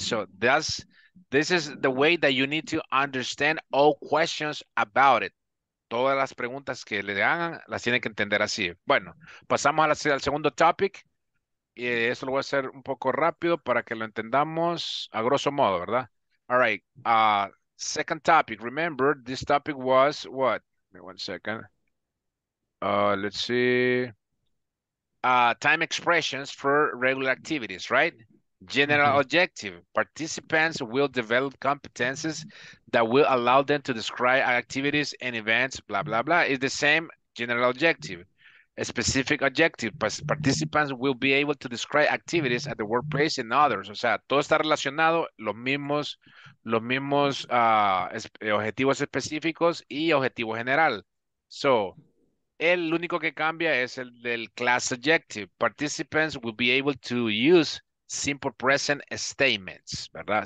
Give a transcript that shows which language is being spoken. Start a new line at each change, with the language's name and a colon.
English: So this is the way that you need to understand all questions about it.
Spanish: Todas las preguntas que le hagan, las tiene que entender así. Bueno, pasamos al segundo topic. Y eso lo voy a hacer un poco rápido para que lo entendamos a grosso modo, ¿verdad?
English: All right. Second topic. Remember, this topic was what? Give me one second. Let's see. Time expressions for regular activities, right? General mm-hmm. objective. Participants will develop competences that will allow them to describe activities and events, blah, blah, blah. It's the same general objective. A specific objective. Participants will be able to describe activities at the workplace and others.
Spanish: O sea, todo está relacionado, los mismos objetivos específicos y objetivo general. So, el único que cambia es el del class objective.
English: Participants will be able to use simple present statements,
Spanish: ¿verdad?